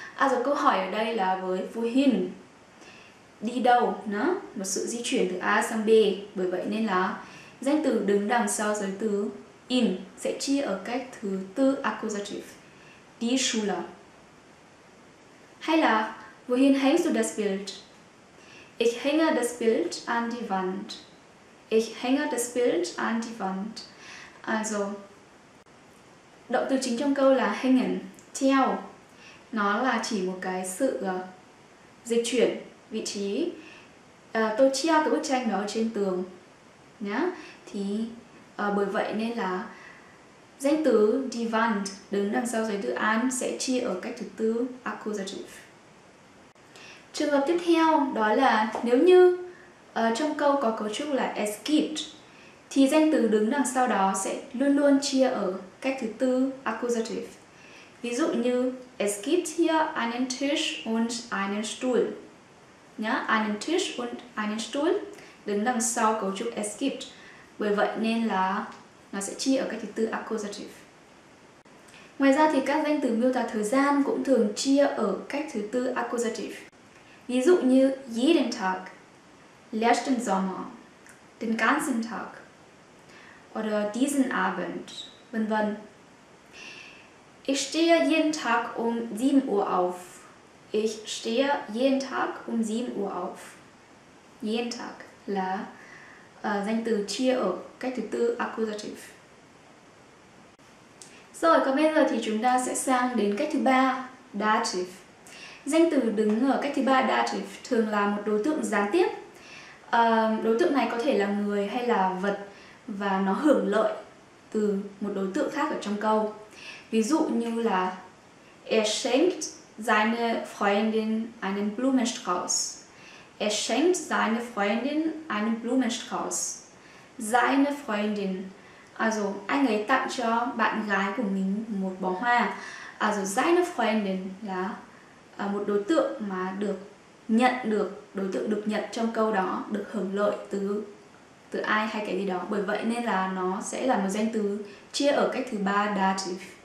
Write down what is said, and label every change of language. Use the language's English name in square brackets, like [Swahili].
[Vietnamese] Rồi câu hỏi ở đây là với wohin, đi đâu, một sự di chuyển từ A sang B. Bởi vậy nên là danh từ đứng đằng sau giới từ in sẽ chia ở cách thứ tư, accusative, die Schule. Hay là [German] wohin hängst du das Bild? Ich hänge das Bild an die Wand. Ich hänge das Bild an die Wand. [Vietnamese] Also động từ chính trong câu là hängen, treo. Nó là chỉ một cái sự dịch chuyển vị trí. Tôi treo cái bức tranh đó trên tường nhá. Thì bởi vậy nên là danh từ die Wand đứng đằng sau danh từ an sẽ chia ở cách thứ tư accusative. Trường hợp tiếp theo đó là nếu như trong câu có cấu trúc là es gibt thì danh từ đứng đằng sau đó sẽ luôn luôn chia ở cách thứ tư accusative. Ví dụ như [German] es gibt hier einen Tisch und einen Stuhl. [Vietnamese] Nhá, [German] einen Tisch und einen Stuhl [Vietnamese] đứng đằng sau cấu trúc es gibt. Bởi vậy nên là nó sẽ chia ở cách thứ tư accusative. Ngoài ra thì các danh từ miêu tả thời gian cũng thường chia ở cách thứ tư accusative. Ví dụ như [German] jeden Tag, letzten Sommer, den ganzen Tag oder diesen Abend, [Vietnamese] vân vân. [German] Ich stehe jeden Tag um 7 Uhr auf. Ich stehe jeden Tag um 7 Uhr auf. [Vietnamese] Jeden Tag là danh từ chia ở cách thứ tư accusative. Rồi, còn bây giờ thì chúng ta sẽ sang đến cách thứ ba, dative. Danh từ đứng ở cách thứ ba dative thường là một đối tượng gián tiếp. Đối tượng này có thể là người hay là vật và nó hưởng lợi từ một đối tượng khác ở trong câu. Ví dụ như là [German] er schenkt seine Freundin einen Blumenstrauß. Er schenkt seine Freundin einen Blumenstrauß. Seine Freundin. [Vietnamese] Also, anh ấy tặng cho bạn gái của mình một bó hoa. Also, seine Freundin là một đối tượng mà được nhận được, đối tượng được nhận trong câu đó, được hưởng lợi từ ai hay cái gì đó. Bởi vậy nên là nó sẽ là một danh từ chia ở cách thứ ba dative.